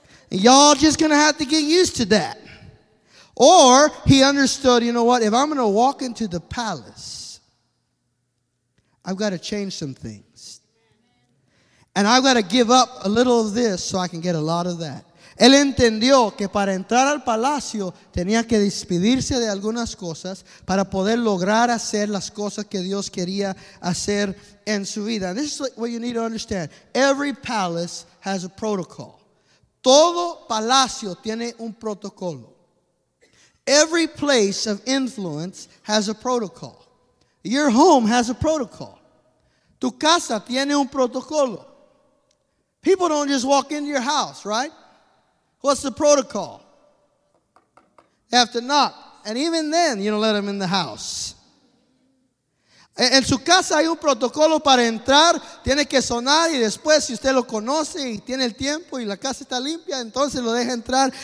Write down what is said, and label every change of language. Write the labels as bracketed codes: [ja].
[en] And y'all just going to have to get used to that. Or he understood, you know what, if I'm going to walk into the palace, I've got to change some things. And I've got to give up a little of this so I can get a lot of that. [es] Él entendió que para entrar al palacio tenía que despedirse de algunas cosas para poder lograr hacer las cosas que Dios quería hacer en su vida. [en] And this is what you need to understand. Every palace has a protocol. [es] Todo palacio tiene un protocolo. [en] Every place of influence has a protocol. Your home has a protocol. [es] Tu casa tiene un protocolo. [en] People don't just walk into your house, right? What's the protocol? They have to knock. And even then, you don't let them in the house. [es] En su casa hay un protocolo para entrar. Tiene que sonar y después, si usted lo conoce y tiene el tiempo y la casa está limpia, entonces lo deja entrar.